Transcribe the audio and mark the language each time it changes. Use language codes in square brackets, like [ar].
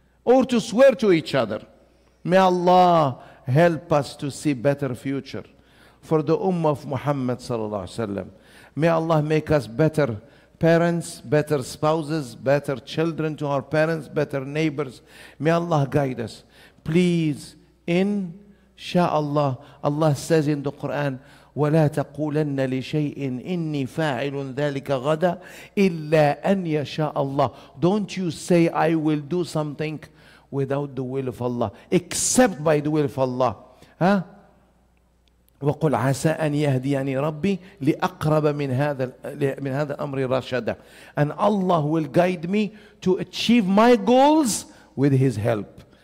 [en] Or to swear to each other. May Allah help us to see better future for the Ummah of Muhammad sallallahu alaihi wasallam. May Allah make us better parents, better spouses, better children to our parents, better neighbors. May Allah guide us. Please, insha'Allah, Allah says in the Quran, [ar] وَلَا تَقُولَنَّ لِشَيْءٍ إِنِّي فَاعِلٌ ذَلِكَ غَدَى إِلَّا أَنْ يَشَاءَ اللَّهِ. [en] Don't you say, I will do something without the will of Allah, except by the will of Allah. [ar] Huh? وَقُلْ عَسَىٰ أَنْ يَهْدِيَنِي رَبِّي لِأَقْرَبَ مِنْ هَذَا الْأَمْرِ رَشَدًا. [en] And Allah will guide me to achieve my goals with His help.